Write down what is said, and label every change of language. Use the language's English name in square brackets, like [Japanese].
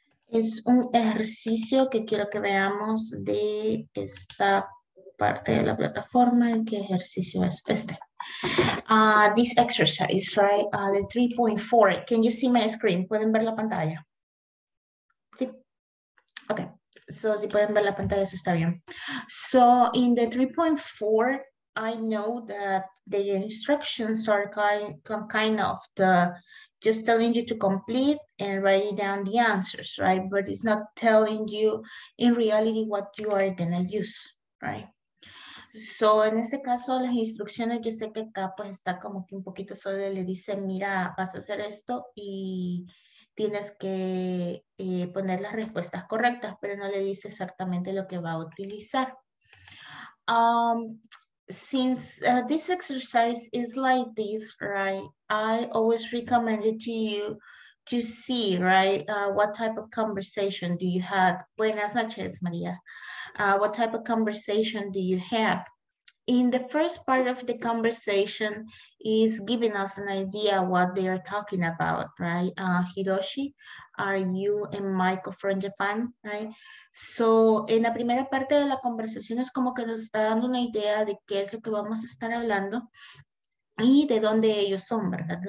[Spanish] Es un ejercicio que quiero que veamos de esta parte de la plataforma. ¿En qué ejercicio es este? [English] This exercise, right? The 3.4. Can you see my screen? [Spanish] ¿Pueden ver la pantalla? Sí. [English] Okay. [Spanish] So, si pueden ver la pantalla, eso está bien. [English] So, in the 3.4, I know that the instructions are kind of the just telling you to complete and writing down the answers, right? But it's not telling you in reality what you are gonna use, right? [Spanish] So, en este caso, las instrucciones, yo sé que acá pues está como que un poquito sobre, le dicen, mira, vas a hacer esto y tienes que poner las respuestas correctas, pero no le dice exactamente lo que va a utilizar. [English] Since this exercise is like this, right, I always recommend it to you to see, right, what type of conversation do you have. [Spanish] Buenas noches, [English] María. What type of conversation do you have? In the first part of the conversation is giving us an idea what they are talking about, right? Hiroshi, are you and Michael from Japan, right? [Spanish] So, en la primera parte de la conversación es como que nos está dando una idea de qué es lo que vamos a estar hablando y de dónde ellos son, ¿verdad?